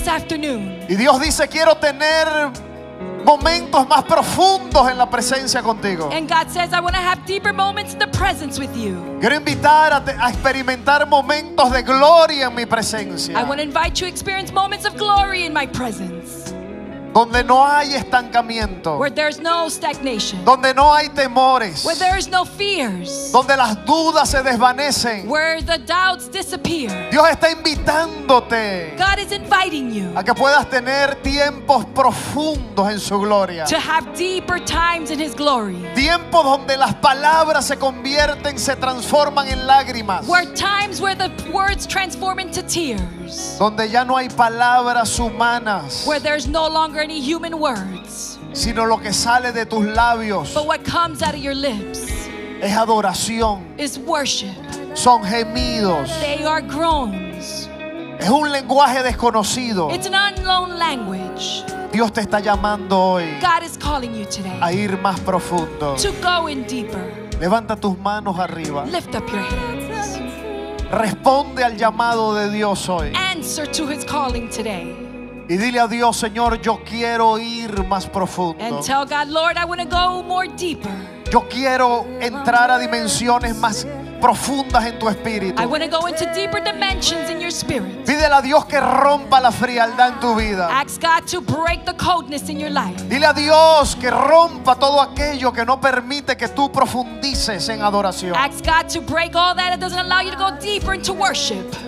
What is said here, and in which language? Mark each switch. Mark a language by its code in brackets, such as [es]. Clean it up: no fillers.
[es] Y Dios dice, quiero tener momentos más profundos en la presencia contigo. [en] And God says, I want to have deeper moments in the presence with you. [es] Quiero invitar a experimentar momentos de gloria en mi presencia. [en] I want to invite you to experience moments of glory in my presence. [es] Donde no hay estancamiento. [en] Where there's no stagnation. [es] Donde no hay temores. [en] Where there's no fears. [es] Donde las dudas se desvanecen. [en] Where the doubts disappear. [es] Dios está invitándote. [en] God is inviting you. [es] A que puedas tener tiempos profundos en su gloria. [en] To have deeper times in his glory. [es] Tiempos donde las palabras se convierten, se transforman en lágrimas. [en] Where times where the words transform into tears. [es] Donde ya no hay palabras humanas. [en] Where there's no longer any human words, [es] sino lo que sale de tus labios, [en] but what comes out of your lips [es] es adoración, [en] is worship, [es] son gemidos, [en] they are groans, [es] es un lenguaje desconocido, [en] it's an unknown language. [es] Dios te está llamando hoy, [en] God is calling you today, [es] a ir más profundo, [en] to go in deeper. [es] Levanta tus manos arriba, [en] lift up your hands. [es] Responde al llamado de Dios hoy, [en] answer to his calling today. [es] Y dile a Dios, Señor, yo quiero ir más profundo. [en] And tell God, Lord, I want to go more deeper. [es] Yo quiero entrar a dimensiones más profundas en tu espíritu. [en] I want to go into deeper dimensions in your spirit. [es] Pídele a Dios que rompa la frialdad en tu vida. [en] Ask God to break the coldness in your life. [es] Dile a Dios que rompa todo aquello que no permite que tú profundices en adoración. [en] Ask God to break all that that doesn't allow you to go deeper into worship.